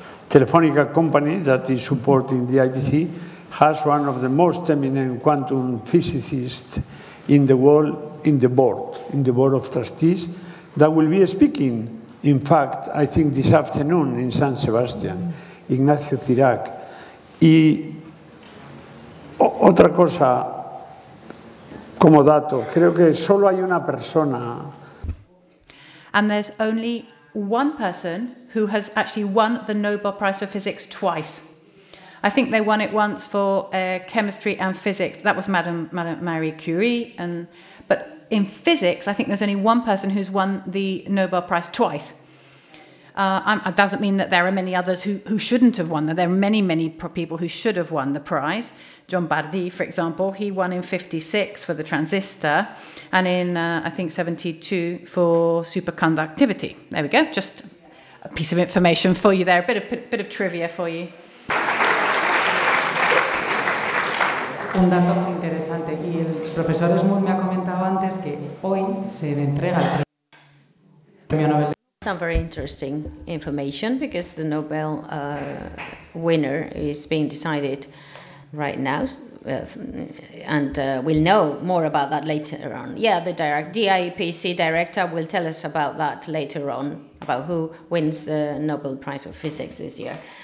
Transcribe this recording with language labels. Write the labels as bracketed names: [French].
[English] Telefonica company that is supporting the IPC has one of the most eminent quantum physicists in the world in the board of trustees, that will be speaking, in fact, I think this afternoon in San Sebastian, Ignacio Cirac. [Spanish] Y otra cosa como dato, creo que solo hay una persona. [English] And there's only one person who has actually won the Nobel Prize for Physics twice. I think they won it once for chemistry and physics. That was Madame Marie Curie. But in physics, I think there's only one person who's won the Nobel Prize twice. It doesn't mean that there are many others who shouldn't have won. There are many, many people who should have won the prize. John Bardi, for example, he won in 56 for the transistor and in, I think, 72 for superconductivity. There we go. Just a piece of information for you there, a bit of trivia for you. [Spanish] Un dato muy interesante. Y el profesor Smoot me ha comentado antes que hoy se le entrega el premio Nobel. [English] Some very interesting information, because the Nobel winner is being decided right now, and we'll know more about that later on. Yeah, the DIPC director will tell us about that later on, about who wins the Nobel Prize for Physics this year.